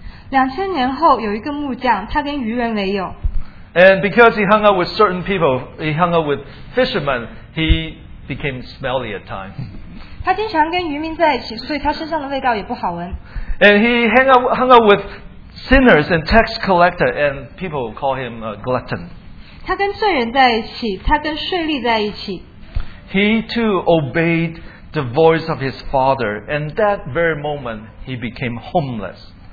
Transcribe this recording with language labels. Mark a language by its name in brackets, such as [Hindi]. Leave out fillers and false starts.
[Chinese] 2,000年后有一个木匠，他跟渔人为友。 [English] And because he hung out with certain people, he hung out with fishermen, he became smelly at times. [Chinese] 他经常跟渔民在一起，所以他身上的味道也不好闻。 [English] And he hung out with sinners and tax collector, and people call him a glutton. [Chinese] 他跟罪人在一起，他跟税吏在一起。 [English] He too obeyed the voice of his father, and that very moment he became homeless.